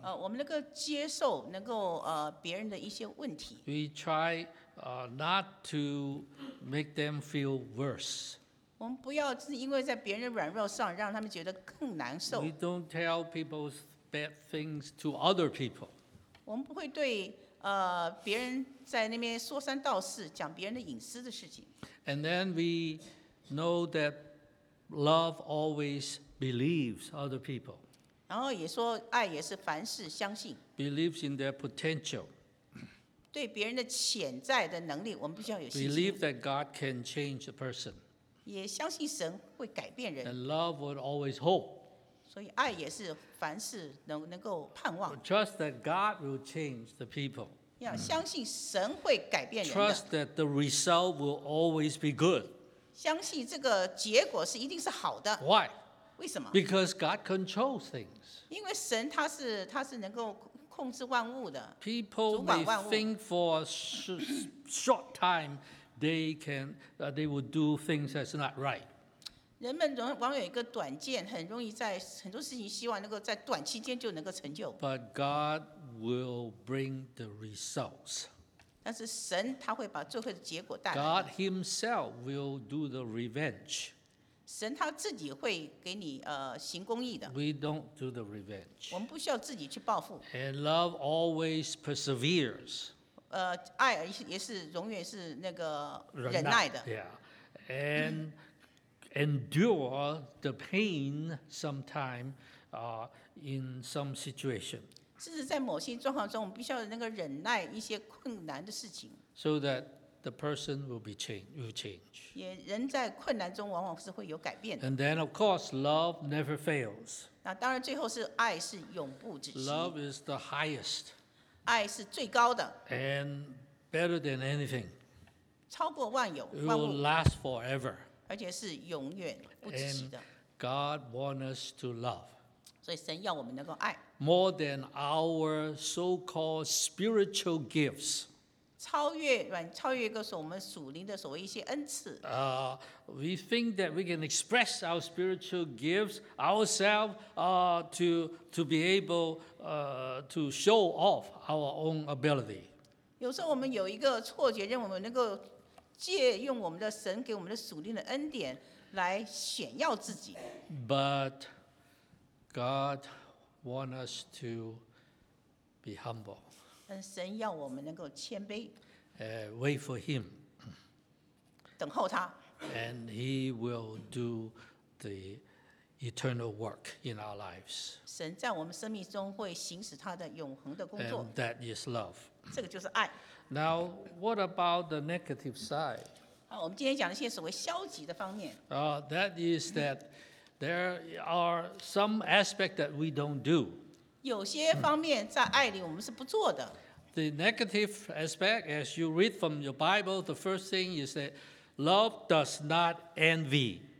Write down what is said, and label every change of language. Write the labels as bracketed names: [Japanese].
[Chinese] 我们能够接受能够别人的一些问题。 [English] We try not to make them feel worse. [Chinese] 我们不要是因为在别人软弱上让他们觉得更难受。 [English] We don't tell people's bad things to other people. [Chinese] 我们不会对别人在那边说三道四，讲别人的隐私的事情。 [English] And then we know that love always believes other people. [Chinese] 然后也说爱也是凡事相信。 [English] Believes in their potential. [Chinese] 对别人的潜在的能力，我们必须要有信心。 [English] Believe that God can change a person. [Chinese] 也相信神会改变人。 [English] And love would always hope. [Chinese] 所以爱也是凡事能够盼望。 [English] Trust that God will change the people. [Chinese] 要相信神会改变人。 [English] Trust that the result will always be good. [Chinese] 相信这个结果是一定是好的。 [English] Why? [Chinese] 为什么？ [English] Because God controls things. [Chinese] 因为神他是能够控制万物的。 [English] People may think for a short time. They would do things that's not right. [Chinese] 人们往往有一个短见，很容易在很多事情希望能够在短期间就能够成就。 [English] But God will bring the results. [Chinese] 但是神他会把最后的结果带来。 [English] God Himself will do the revenge. [Chinese] 神他自己会给你行公义的。 [English] We don't do the revenge. [Chinese] 我们不需要自己去报复。 [English] And love always perseveres. [Chinese] 爱也是永远是那个忍耐的。 [English] Yeah. And endure the pain sometime in some situation. [Chinese] 甚至在某些状况中我们必须要能够忍耐一些困难的事情。 [English] So that the person will change. [Chinese] 也人在困难中往往是会有改变的。 [English] And then of course, love never fails. [Chinese] 那当然最后是爱是永不止息。 [English] Love is the highest. [Chinese] 爱是最高的 [English] ，and better than anything， [Chinese] 超过万有万物 [English] ，it will last forever， [Chinese] 而且是永远不止息的。 [English] And God wants us to love， [Chinese] 所以神要我们能够爱 [English] ，more than our so-called spiritual gifts， [Chinese] 超越一个我们属灵的所谓一些恩赐。 [English] We think that we can express our spiritual gifts ourselves to be able to show off our own ability. [Chinese] 有时候我们有一个错觉，认为我们能够借用我们的神给我们的属灵的恩典来显耀自己。 [English] But God want us to be humble. [Chinese] 但神要我们能够谦卑。 [English] Wait for him. [Chinese] 等候他。 [English] And he will do the eternal work in our lives. [Chinese] 神在我们生命中会行使他的永恒的工作。 [English] And that is love. [Chinese] 这个就是爱。 [English] Now, what about the negative side? [Chinese] 好，我们今天讲一些所谓消极的方面。 [English] That is that there are some aspects that we don't do. [Chinese] 有些方面在爱里我们是不做的。 [English] The negative aspect, as you read from your Bible, the first thing is that love does not envy.